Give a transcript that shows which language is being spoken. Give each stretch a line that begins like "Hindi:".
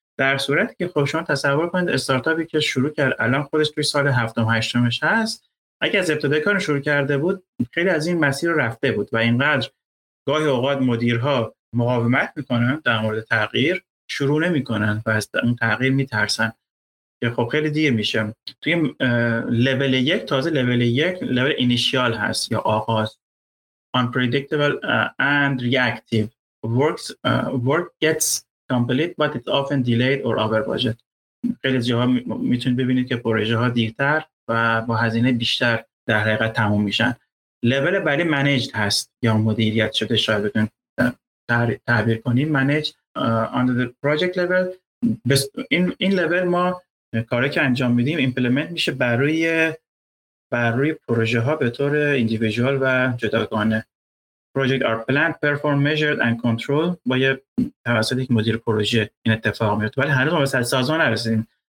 Persian: در صورتی که خب شما تصور کنید استارتاپی که شروع کرد الان خودش توی سال 7م 8مش هست، اگه از ابتدای کار شروع کرده بود خیلی از این مسیر رو رفته بود. و اینقدر گاهی اوقات مدیرها مقاومت میکنن در مورد تغییر، شروع نمیکنن و از اون تغییر میترسن که خب خیلی دیر میشه. توی لول یک تازه لول اینیشیال هست یا آغاز.
English: Unpredictable and reactive. Work gets complete but it's often delayed or over budget.
Persian: خیلی جاها میتونید ببینید که پروژه ها دیرتر و با هزینه بیشتر در حقیقت تموم میشن. لول بعدی managed هست یا مدیریت شده شاید بتونید تعبیر کنیم.
English: Managed under the project level.
Persian: این لول ما کاری که انجام میدیم ایمپلمنت میشه بر روی پروژه ها به طور اندیویژوال و جداگانه. پروژه آر پلان پرفورم میجرد اند کنترل با یه توسط یک مدیر پروژه این اتفاق میفته، ولی هنوز ما به سازمان نرسیدیم.